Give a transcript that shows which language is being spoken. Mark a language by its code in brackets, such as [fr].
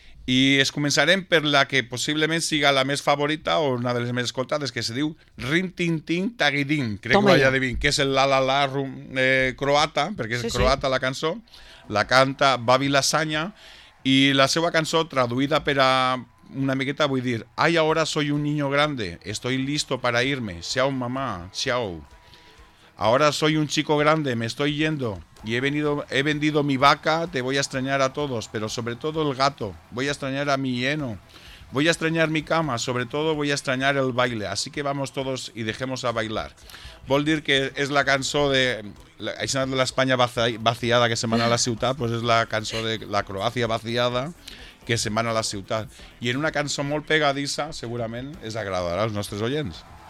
[ca] I es començarem per la que possiblement siga la més favorita o una de les més escoltades, que se diu Rin Tin Tin Tagidin, crec que ho hagi adivinat, que és el La La La croata, perquè és croata la cançó, la canta Babi Lasagna, i la seva cançó traduïda per a una miqueta vull dir, [es] ai, ahora soy un niño grande, estoy listo para irme, ciao mamá, ciao. Ahora soy un chico grande, me estoy yendo y he vendido mi vaca, te voy a extrañar a todos, pero sobre todo el gato, voy a extrañar a mi hieno, voy a extrañar mi cama, sobre todo voy a extrañar el baile, así que vamos todos y dejemos a bailar. [ca] Vol dir que és la cançó de la España vaciada que se manda a la ciutat, pues es la cançó de la Croacia vaciada, que se'n van a la ciutat. I en una cançó molt pegadissa, segurament, es agradarà als nostres oients.